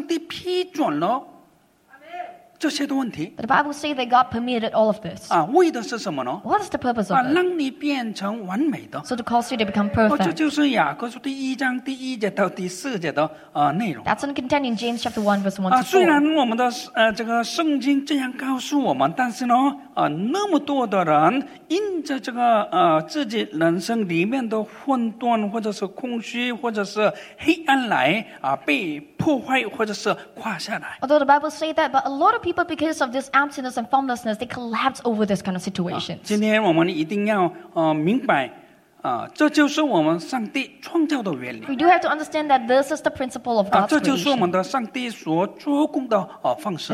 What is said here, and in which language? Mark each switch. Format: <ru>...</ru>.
<zh>但是圣经告诉我们说，上帝批准了这些的问题。</zh> <en>But the Bible says that God permitted all of this.</en> <zh>为的是什么呢？</zh> <en>What is the purpose of it?</en> <zh>让你变成完美的。</zh> <en>So to cause you to become perfect.</en> <zh>这就是雅各书第1章第1节到第4节的内容。</zh> <en>That's in containing James chapter 1 verse 1 to 4.</en> <zh>虽然我们的这个圣经这样告诉我们，但是呢。那么多的人因着这个自己人生里面的混沌或者是空虚或者是黑暗来被破坏或者是垮下来。</zh> <en>Although the Bible says that, but a lot of people because of this emptiness and formlessness, they collapse over this kind of situation.</en> <zh>今天我们一定要明白。这就是我们上帝创造的原理。</zh> <en>We do have to understand that this is the principle of God's creation.</en> <zh>这就是我们的上帝所做工的方式。</zh>